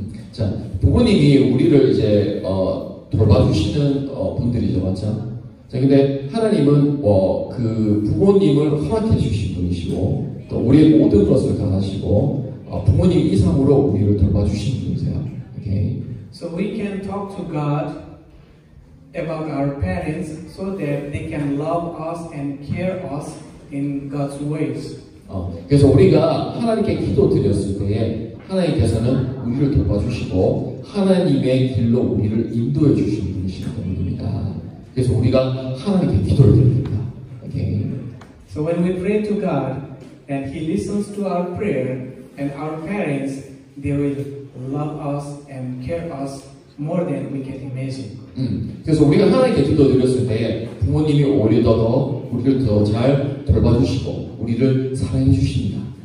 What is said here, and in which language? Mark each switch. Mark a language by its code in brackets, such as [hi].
[ko] 자, 부모님이 우리를 이제 돌봐주시는 분들이죠, 맞죠? 자, 근데 하나님은 그 부모님을 허락해 주신 분이시고 또 우리의 모든 것을 다 하시고 부모님 이상으로 우리를 돌봐주신 분이세요. [en] Okay. So we can talk to God about our parents so that they can love us and care us in God's ways. [ko] 그래서 우리가 하나님께 기도 드렸을 때에 하나님께서는 우리를 돌봐주시고 하나님의 길로 우리를 인도해 주신 분이신 분입니다. 그래서 우리가 하나님께 기도를 드립니다. [en] Okay. So when we pray to God and He listens to our prayer, And our parents, they will love us and care us more than we can imagine. [ko] 그래서 우리가 하나님께 기도드렸을 때 부모님이 오히려 더 우리를 더 잘 돌봐주시고 우리를 사랑해 주십니다.